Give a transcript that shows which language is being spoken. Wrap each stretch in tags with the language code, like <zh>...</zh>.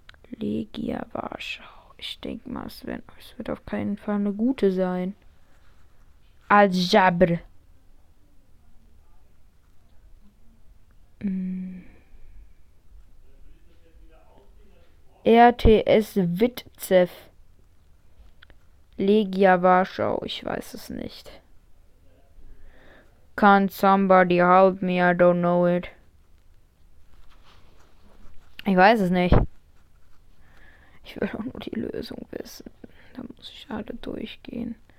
<de>Legia Warschau. Ich denk mal, es wird auf keinen Fall eine gute sein. Al-Jabr. RTS Witzef. Legia Warschau, ich weiß es nicht.</de> <en>Can't somebody help me, I don't know it.</en> <de>Ich weiß es nicht. Ich will auch nur die Lösung wissen. Da muss ich alle durchgehen.</de>